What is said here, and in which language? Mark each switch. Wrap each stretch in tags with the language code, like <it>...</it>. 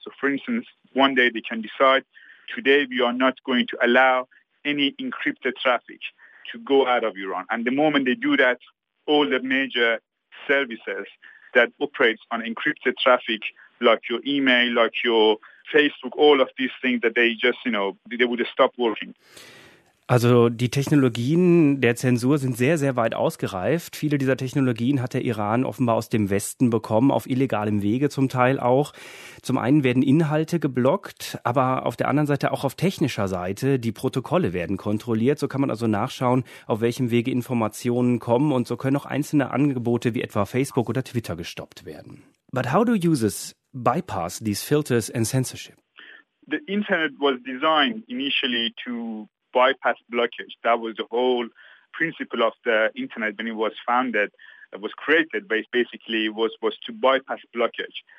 <en>So for instance, one day they can decide, today we are not going to allow any encrypted traffic to go out of Iran. And the moment they do that, all the major services that operate on encrypted traffic, like your email, like your Facebook, all of these things that they just, you know, they would stop working.</en> <de>Also die Technologien der Zensur sind sehr, sehr weit ausgereift. Viele dieser Technologien hat der Iran offenbar aus dem Westen bekommen, auf illegalem Wege zum Teil auch. Zum einen werden Inhalte geblockt, aber auf der anderen Seite auch auf technischer Seite. Die Protokolle werden kontrolliert. So kann man also nachschauen, auf welchem Wege Informationen kommen. Und so können auch einzelne Angebote wie etwa Facebook oder Twitter gestoppt werden.</de> <en>But how do users bypass these filters and censorship? The internet was designed initially to bypass blockage. That was the whole principle of the internet when it was founded, was created, basically was to bypass blockage.</en>